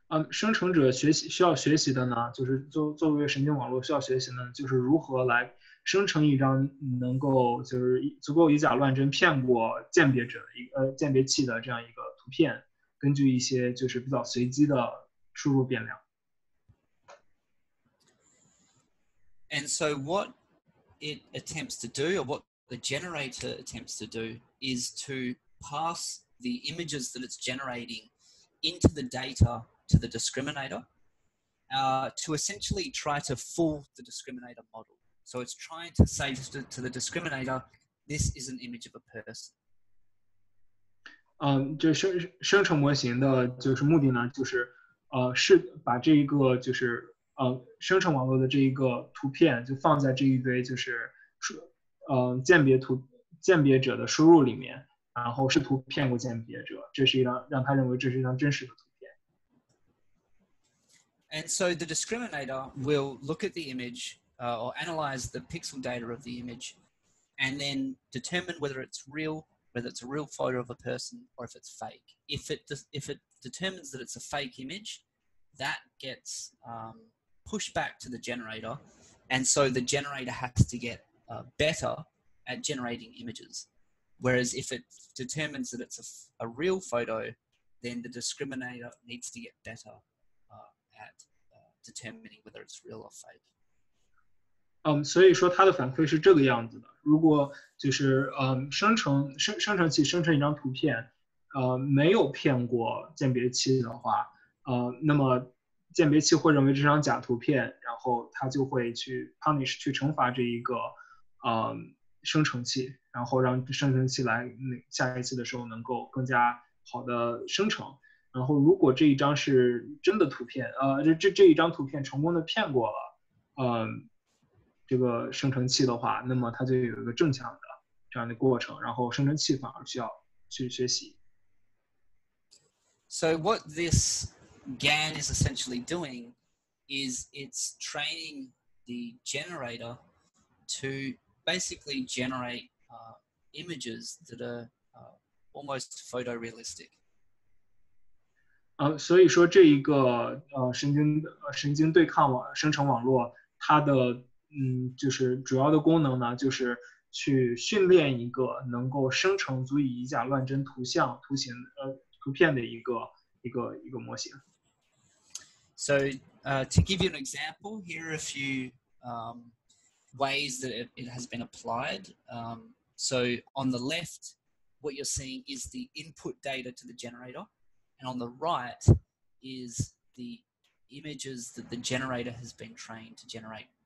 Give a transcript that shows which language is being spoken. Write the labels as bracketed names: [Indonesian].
[Chinese] 生成者学习需要学习的呢，就是作为神经网络需要学习呢，就是如何来生成一张能够就是足够以假乱真骗过鉴别者鉴别器的这样一个图片，根据一些就是比较随机的输入变量。 [English] And so what it attempts to do, or what the generator attempts to do, is to pass the images that it's generating into the data to the discriminator to essentially try to fool the discriminator model. So it's trying to say to the discriminator, this is an image of a person. [Chinese] 就生成模型的就是目的呢，就是是把这一个就是生成网络的这一个图片就放在这一堆就是鉴别者的输入里面，然后试图骗过鉴别者，这是一张让他认为这是一张真实的图片。 [English] And so the discriminator will look at the image, or analyze the pixel data of the image, and then determine whether it's real. Whether it's a real photo of a person or if it's fake. If it determines that it's a fake image, that gets pushed back to the generator. And so the generator has to get better at generating images. Whereas if it determines that it's a real photo, then the discriminator needs to get better at determining whether it's real or fake. [Chinese] 所以说它的反馈是这个样子的。如果就是生成器生成一张图片，没有骗过鉴别器的话，那么鉴别器会认为这张假图片，然后它就会去 [English] punish [Chinese] 去惩罚这一个生成器，然后让生成器来下一次的时候能够更加好的生成。然后如果这一张是真的图片，这一张图片成功的骗过了，这个生成器的话，那么它就有一个正向的这样的过程，然后生成器反而需要去学习。 [English] So what this GAN is essentially doing is it's training the generator to basically generate images that are almost photorealistic. [Chinese] 所以说这一个神经对抗网生成网络，它的就是主要的功能呢，就是去训练一个能够生成足以以假乱真图像图形图片的一个模型。 [English] So, to give you an example, here are a few ways that it has been applied. So on the left, what you're seeing is the input data to the generator, and on the right is the images that the generator has been trained to generate.